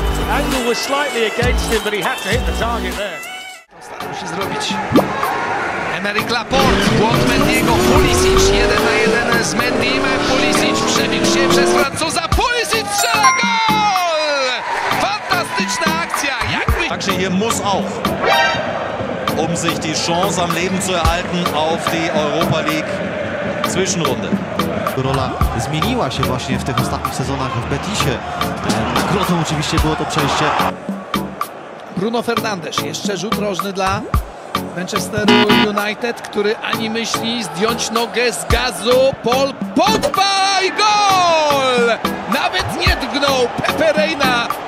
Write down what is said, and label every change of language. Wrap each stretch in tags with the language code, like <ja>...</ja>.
<en>Angle was slightly against him, but he had to hit the target there.</en> <pl>Musisz zrobić. Emerick Laporte, błąd Mendiego, Pulisic 1 na 1 z Mendim, Pulisic przebił się przez Francuza, Pulisic strzela gol! Fantastyczna akcja, jakby... Także</pl> <de>hier muss auch, um sich die Chance am Leben zu erhalten auf die Europa League Zwischenrunde.</de> <pl>Rola zmieniła się właśnie w tych ostatnich sezonach w Betisie. Nagrodą oczywiście było to przejście. Bruno Fernandes, jeszcze rzut rożny dla Manchester United, który ani myśli zdjąć nogę z gazu. Paul Pogba i gol! Nawet nie dgnął Pepe Reina.</pl>